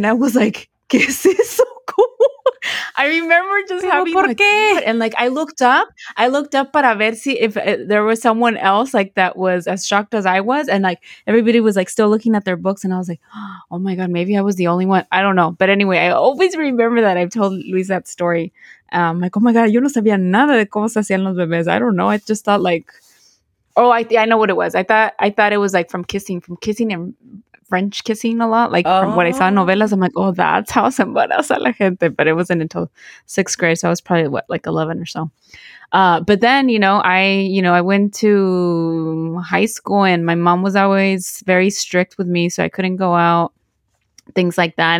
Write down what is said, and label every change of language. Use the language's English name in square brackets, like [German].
[English] And I was like, [Spanish] ¿qué es eso? [English] I remember just pero having [Spanish] por qué? [English] Like, and like I looked up [Spanish] para ver si [English] if there was someone else like that was as shocked as I was, and like everybody was like still looking at their books, and I was like, oh my god, maybe I was the only one, I don't know. But anyway, I always remember that. I've told Luis that story. Like, oh my god, [Spanish] yo no sabía nada de cómo se hacían los bebés. [English] I don't know, I just thought like, oh, I know what it was. I thought it was like from kissing and French kissing a lot, like, oh. From what I saw in novelas, I'm like, oh, that's how [Spanish] se embaraza la gente. [English] But it wasn't until sixth grade, so I was probably what, like 11 or so. But then, you know, I went to high school, and my mom was always very strict with me, so I couldn't go out, things like that.